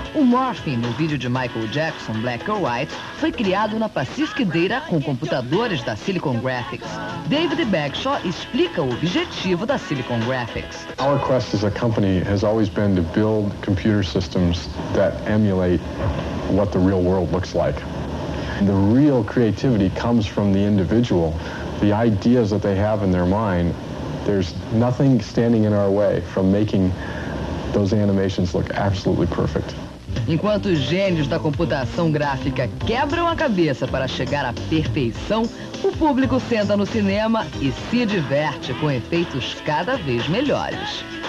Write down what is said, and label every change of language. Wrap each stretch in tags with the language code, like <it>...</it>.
<pt>O morphing no vídeo de Michael Jackson, Black or White, foi criado na Pacific Data com computadores da Silicon Graphics. David Bagshaw explica o objetivo da Silicon Graphics.</pt> <en>Our quest as a company has always been to build computer systems that emulate what the real world looks like. The real creativity comes from the individual, the ideas that they have in their mind. There's nothing standing in our way from making those animations look absolutely perfect.</en> <pt>Enquanto os gênios da computação gráfica quebram a cabeça para chegar à perfeição, o público senta no cinema e se diverte com efeitos cada vez melhores.</pt>